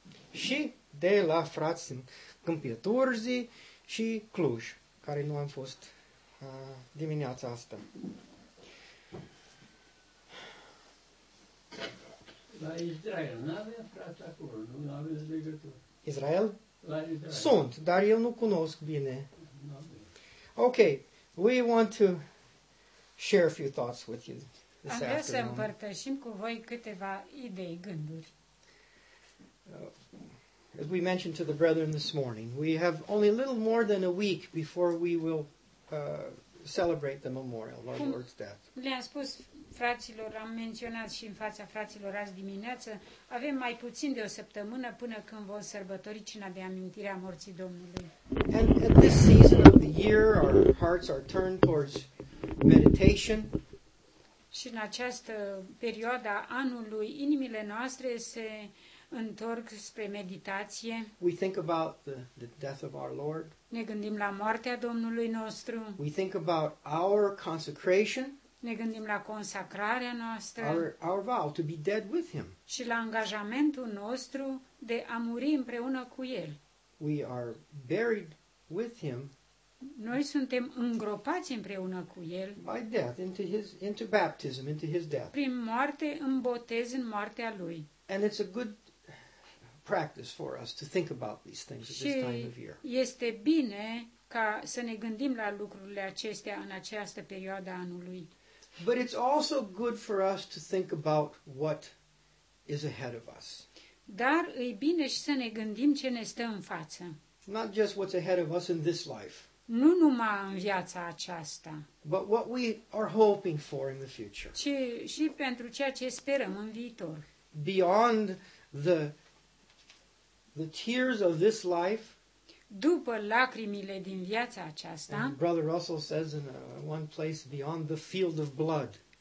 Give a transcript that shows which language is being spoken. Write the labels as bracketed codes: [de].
[ro] Și de la frați în Câmpia Turzii și Cluj, care nu am fost dimineața asta. La Israel, nu avem frate acolo, nu aveți legătură. Israel? La Israel. Sunt, dar eu nu cunosc bine. [en] Ok, we want to share a few thoughts with you this afternoon. [ro] Am vrea să împărtășim cu voi câteva idei, gânduri. [en] As we mentioned to the brethren this morning, we have only a little more than a week before we will celebrate the memorial of our Lord's death. [ro] Le-am spus fraților, am menționat și în fața fraților azi dimineață, avem mai puțin de o săptămână până când vom sărbători cina de amintire a morții Domnului. [en] And at this season of the year, our hearts are turned towards meditation. [ro] Și în această perioadă anului, inimile noastre se întorc spre meditație. [en] We think about the death of our Lord. [ro] Ne gândim la moartea Domnului nostru. [en] We think about our consecration. [ro] Ne gândim la consacrarea noastră. [en] Our vow to be dead with him. [ro] Și la angajamentul nostru de a muri împreună cu el. [en] We are buried with him. [ro] Noi suntem îngropați împreună cu el. [en] By death into baptism, into his death. [ro] Prin moarte în botez, în moartea lui. [en] And it's a good practice for us to think about these things at this time of year. [ro] Este bine ca să ne gândim la lucrurile acestea în această perioadă anului. [en] But it's also good for us to think about what is ahead of us. [ro] Dar e bine și să ne gândim ce ne stă în față. [en] Not just what's ahead of us in this life. [ro] Nu numai în viața aceasta. [en] But what we are hoping for in the future. [ro] Ci și pentru ceea ce sperăm în viitor. [en] Beyond the tears of this life. [ro] După lacrimile din viața aceasta. [en] And Brother Russell says in one place, beyond the field of blood.